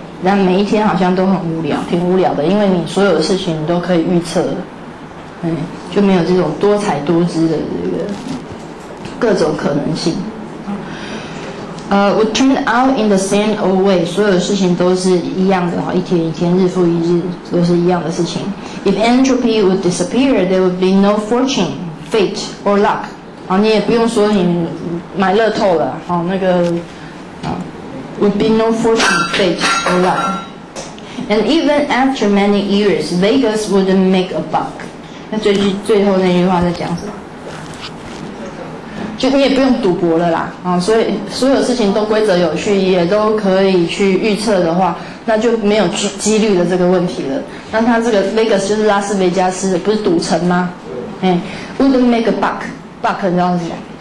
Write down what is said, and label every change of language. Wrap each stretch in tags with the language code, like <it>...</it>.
<zh>但每一天好像都很无聊，挺无聊的，因为你所有的事情都可以预测，就没有这种多彩多姿的这个各种可能性。</zh> <en>Would turn out in the same old way.</en> <zh>所有的事情都是一样的，一天一天，日复一日，都是一样的事情。</zh> <en>If entropy would disappear, there would be no fortune, fate, or luck.</en> <zh>你也不用说你买乐透了，好，那个</zh> <en>would be no fortune, fate, or luck. And even after many years, Vegas wouldn't make a buck.</en> <zh>那最后那句话在讲什么？就你也不用赌博了啦，啊，所以所有事情都规则有序，也都可以去预测的话，那就没有几率的这个问题了。那他这个 Vegas 就是拉斯维加斯，不是赌城吗？</zh> <en>wouldn't make a buck. Buck</en> <zh>你知道是什么？</zh>